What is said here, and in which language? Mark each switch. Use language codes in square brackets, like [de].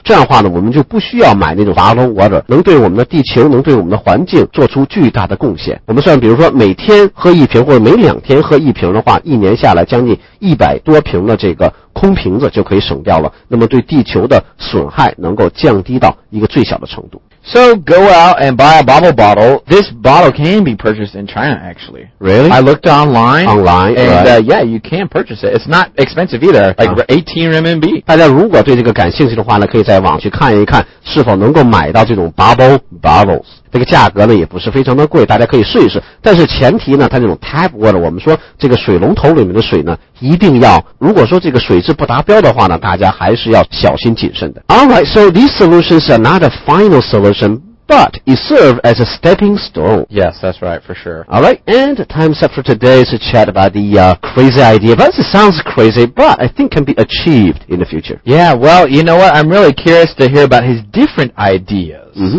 [zh] 这样的话呢，我们就不需要买那种 bottle water，能对我们的地球，能对我们的环境做出巨大的贡献。我们算，比如说每天喝一瓶，或者每两天喝一瓶的话，一年下来将近100多瓶。那这个空瓶子就可以省掉了，那么对地球的损害能够降低到一个最小的程度。 [en] So go out and buy a bubble bottle. This bottle can be purchased in China, actually. Really? I looked online. Online, and, right. And yeah, you can purchase it. It's not expensive either, like 18 RMB. [zh] 大家如果对这个感兴趣的话呢，可以在网去看一看是否能够买到这种 bubble bottles。这个价格呢也不是非常的贵，大家可以试一试。但是前提呢，它这种 tap water，我们说这个水龙头里面的水呢，一定要，如果说这个水质不达标的话呢，大家还是要小心谨慎的。 [en] Alright, so these solutions are not a final solution, but it serves as a stepping stone. Yes, that's right, for sure. Alright, and time's up for today's chat about the crazy idea. That sounds crazy, but I think can be achieved in the future. Yeah, well, you know what? I'm really curious to hear about his different ideas.